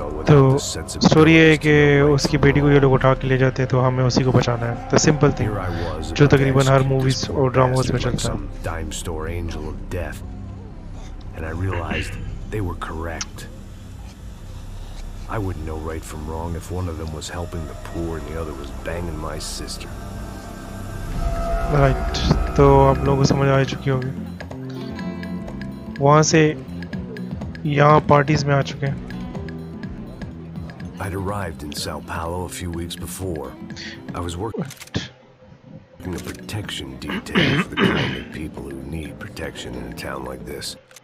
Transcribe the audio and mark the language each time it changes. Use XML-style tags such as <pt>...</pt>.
<hi>तो स्टोरी है कि उसकी बेटी को ये लोग उठा के ले जाते हैं, तो हमें उसी को बचाना है। तो सिंपल थी जो तकरीबन हर मूवीज और ड्रामोज में चलता है।</hi> <en>I wouldn't know right from wrong if one of them was helping the poor and the other was banging my sister.</en> <hi>Right, तो आप लोगों को समझ आ चुकी होगी। वहाँ से यहाँ पार्टीज में आ चुके हैं।</hi> <en>I'd arrived in Sao Paulo a few weeks before. I was working a protection detail for the kind of people who need protection in a town like this.</en>